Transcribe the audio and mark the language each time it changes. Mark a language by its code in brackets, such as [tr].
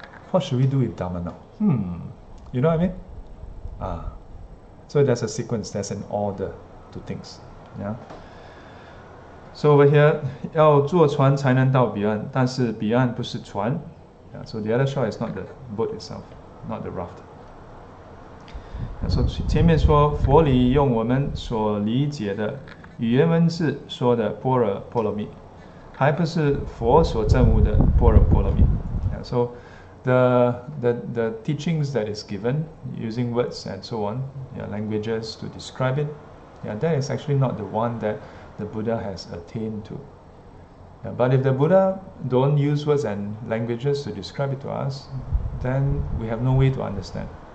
[en] What should we do with Dharma now? You know what I mean? So there's a sequence, there's an order to things. Yeah. [zh] So over here, 要坐船才能到彼岸，但是彼岸不是船. [en] Yeah, so the other shore is not the boat itself, not the raft. [zh] Yeah, so 前面说佛理用我们所理解的语言文字说的般若波罗蜜，还不是佛所证悟的般若波罗蜜. [en] Yeah, so the teachings that is given using words and so on, yeah, languages to describe it, yeah, that is actually not the one that the Buddha has attained to. Yeah, but if the Buddha don't use words and languages to describe it to us, then we have no way to understand.